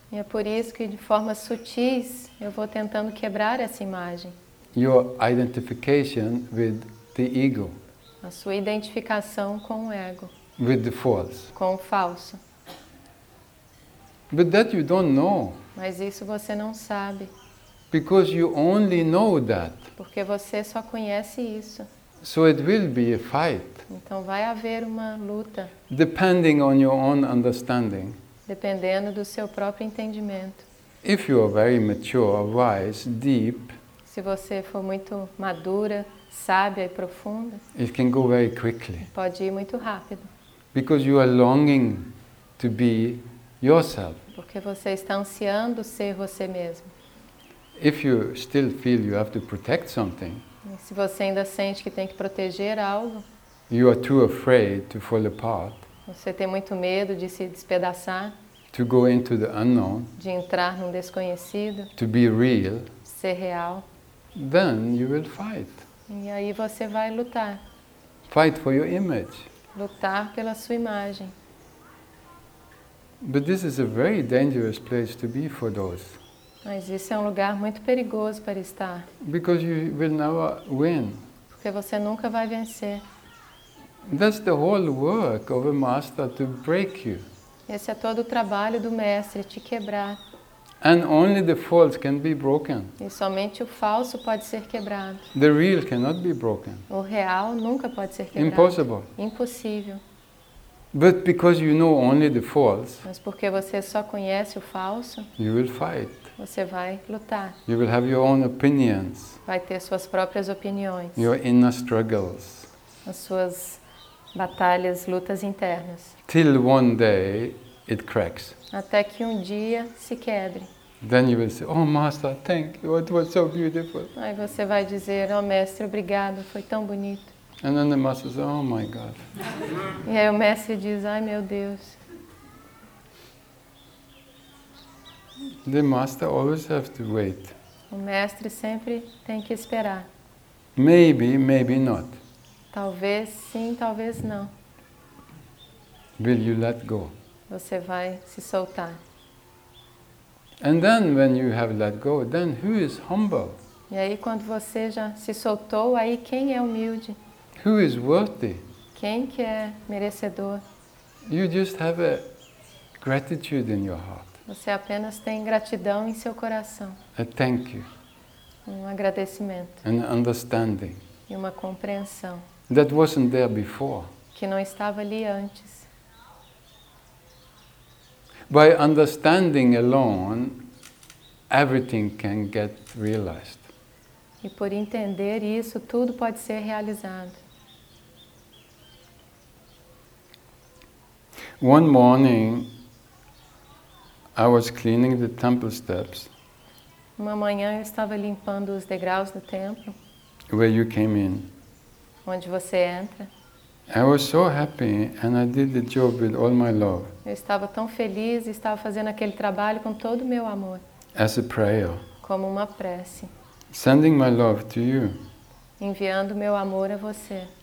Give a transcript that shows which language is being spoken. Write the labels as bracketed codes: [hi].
[pt] E é por isso que de formas sutis eu vou tentando quebrar essa imagem. [en] Your identification with the ego. [pt] A sua identificação com o ego. [en] With the false. [pt] Com o falso. [en] But that you don't know. [pt] Mas isso você não sabe. [en] Because you only know that. [pt] Porque você só conhece isso. [en] So it will be a fight. [pt] Então vai haver uma luta. [en] Depending on your own understanding. [pt] Dependendo do seu próprio entendimento. [en] If you are very mature, wise, deep, [pt] se você for muito madura, sábia e profunda, [en] it can go very quickly. [pt] Pode ir muito rápido. [en] Because you are longing to be yourself. [pt] Porque você está ansiando ser você mesmo. [en] If you still feel you have to protect something, [pt] e se você ainda sente que tem que proteger algo, [en] you are too afraid to fall apart. [pt] Você tem muito medo de se despedaçar. [en] To go into the unknown. [pt] De entrar num desconhecido. [en] To be real. [pt] Ser real. [en] Then you will fight. [pt] E aí você vai lutar. [en] Fight for your image. [pt] Lutar pela sua imagem. [en] But this is a very dangerous place to be for those. [pt] Mas isso é um lugar muito perigoso para estar. [en] Because you will never win. [pt] Porque você nunca vai vencer. [en] That's the whole work of a master to break you. [pt] Esse é todo o trabalho do mestre, te quebrar. [en] And only the false can be broken. [pt] E somente o falso pode ser quebrado. [en] The real cannot be broken. [pt] O real nunca pode ser quebrado. [en] Impossible. [pt] Impossível. [en] But because you know only the false. [pt] Mas porque você só conhece o falso. [en] You will fight. [pt] Você vai lutar. [en] You will have your own opinions. [pt] Vai ter suas próprias opiniões. [en] Your inner struggles. [pt] As suas batalhas, lutas internas. [en] Till one day it cracks. [pt] Até que um dia se quebre. [en] Then you will say, oh master, thank you, it was so beautiful. [pt] Aí você vai dizer, oh mestre, obrigado, foi tão bonito. [en] And then the master says, oh my God. [pt] E aí o mestre diz, ai meu Deus. [en] The master always have to wait. [pt] O mestre sempre tem que esperar. [en] Maybe, maybe not. [pt] Talvez sim, talvez não. [en] Will you let go? [pt] Você vai se soltar. [en] And then when you have let go, then who is humble? [pt] E aí quando você já se soltou, aí quem é humilde? [en] Who is worthy? [pt] Quem que é merecedor? [en] You just have a gratitude in your heart. [pt] Você apenas tem gratidão em seu coração. [en] A thank you. [pt] Um agradecimento. [en] An understanding. [pt] E uma compreensão. [en] That wasn't there before. [pt] Que não estava ali antes. [en] By understanding alone, everything can get realized. [pt] E por entender isso, tudo pode ser realizado. [en] One morning, I was cleaning the temple steps. [pt] Uma manhã eu estava limpando os degraus do templo. [en] Where you came in. [pt] Onde você entra. [en] I was so happy and I did the job with all my love. [pt] Eu estava tão feliz e estava fazendo aquele trabalho com todo o meu amor. [en] As a prayer. [pt] Como uma prece. [en] Sending my love to you. [pt] Enviando meu amor a você.